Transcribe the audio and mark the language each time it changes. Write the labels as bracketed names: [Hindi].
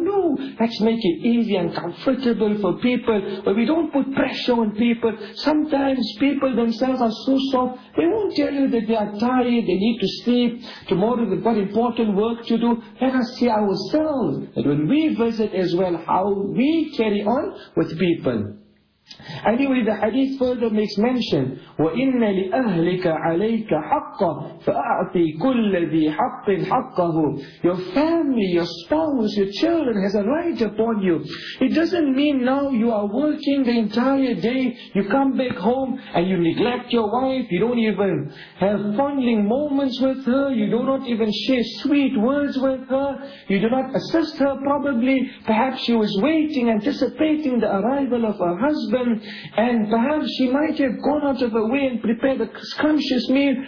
[English] No, let's make it easy and comfortable for people, but we don't put pressure on people. Sometimes people themselves are so soft, they won't tell you that they are tired, they need to sleep, tomorrow they've got important work to do. Let us see ourselves, that when we visit as well, how we carry on with people. Anyway, the hadith further makes mention, [Arabic] وَإِنَّ لِأَهْلِكَ عَلَيْكَ حَقَّ فَأَعْطِي كُلَّ ذِي حَقٍ حَقَّهُ. [English] Your family, your spouse, your children has a right upon you. It doesn't mean now you are working the entire day, you come back home and you neglect your wife, you don't even have fondling moments with her, you do not even share sweet words with her, you do not assist her probably, perhaps she was waiting, anticipating the arrival of her husband, and perhaps she might have gone out of her way and prepared a scrumptious meal.